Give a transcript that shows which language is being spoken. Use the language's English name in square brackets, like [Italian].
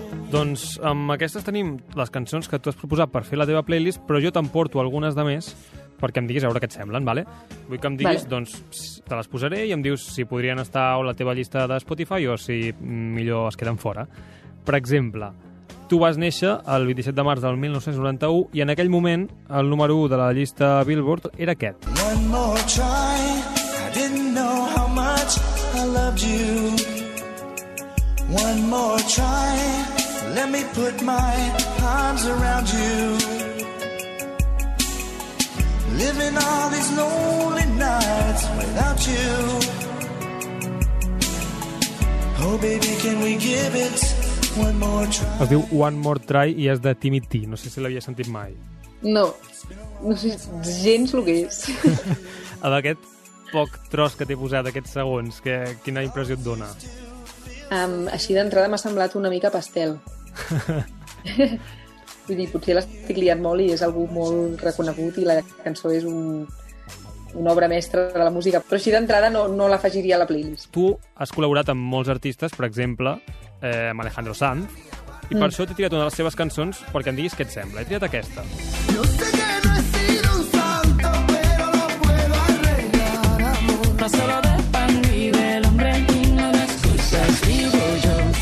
[Catalan] Doncs amb aquestes tenim les cançons que tu has proposat per fer la teva playlist, però jo t'emporto algunes de més perquè em diguis a veure què et semblen, vale? Vull que em diguis, vale. Doncs te les posaré i em dius si podrien estar a la teva llista de Spotify o si millor es queden fora. Per exemple, tu vas néixer el 27 de març del 1991 i en aquell moment el número 1 de la llista Billboard era aquest. [English] One more try, I didn't know how much I loved you. One more try, let me put my arms around you. living all these lonely nights without you. Oh baby, can we give it one more try? [Catalan] Es diu One More Try i és de Timmy T. No sé si l'havia sentit mai. No, no sé gens el que és. A d'aquest poc tros que t'he posat, aquests segons, que, quina impressió et dona? Així d'entrada m'ha semblat una mica pastel. Vull dir, potser l'estic liant molt i és algú molt reconegut i la cançó és una obra mestra de la música, però així d'entrada no l'afegiria a la playlist. Tu has col·laborat amb molts artistes, per exemple, amb Alejandro Sanz, i per això t'he tirat una de les seves cançons perquè em diguis què et sembla. He triat aquesta. [Spanish] Yo sé que no he sido un santo, pero lo puedo arreglar, amor. No solo de pan vive el hombre, no de excusas vivo yo.